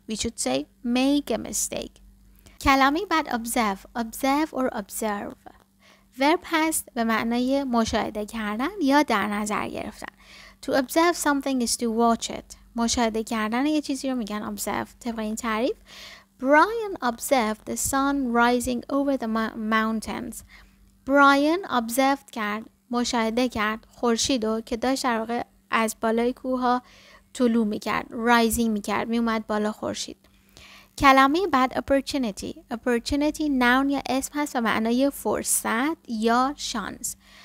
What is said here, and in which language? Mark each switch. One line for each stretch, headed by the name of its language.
English: We should say make a mistake.
Persian: کلمه بعد observe.
English: Observe or observe.
Persian: Verb هست به معنای مشاهده کردن یا در نظر گرفتن.
English: To observe something is to watch it.
Persian: مشاهده کردن یه چیزی رو میگن observe. طبق این تعریف.
English: Brian observed the sun rising over the mountains.
Persian: Brian observed کرد. مشاهده کرد. خورشیدو که داشت در واقع از بالای کوها طلوع میکرد. Rising میکرد. میومد بالا خورشید. کلمه بعد opportunity. Opportunity noun یا اسم هست و معنای فرصت یا شانس.